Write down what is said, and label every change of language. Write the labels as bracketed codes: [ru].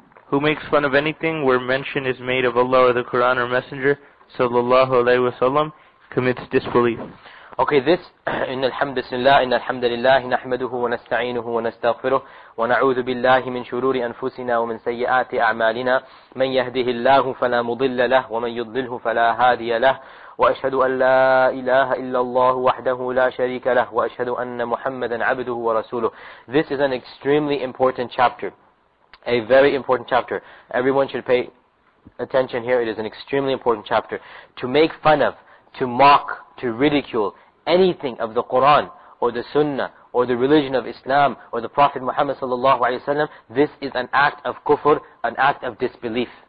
[en] Who makes fun of anything where mention is made of Allah or the Quran or Messenger, [ar] sallallahu alayhi wa sallam, [en] commits disbelief. Okay, this, [ar] إن الحمد لله إن الحمد لله نحمده ونستعينه ونستغفره ونعوذ بالله من شرور أنفسنا ومن سيئات أعمالنا من يهده الله فلا مضل له ومن يضلله فلا هادي له وأشهد أن لا إله إلا الله وحده لا شريك له وأشهد أن محمدا عبده ورسوله. [en] This is an extremely important chapter. A very important chapter. Everyone should pay attention here. It is an extremely important chapter. To make fun of, to mock, to ridicule anything of the Quran or the Sunnah or the religion of Islam or the Prophet Muhammad [ar] sallallahu alaihi wasallam, [en] this is an act of kufr, an act of disbelief.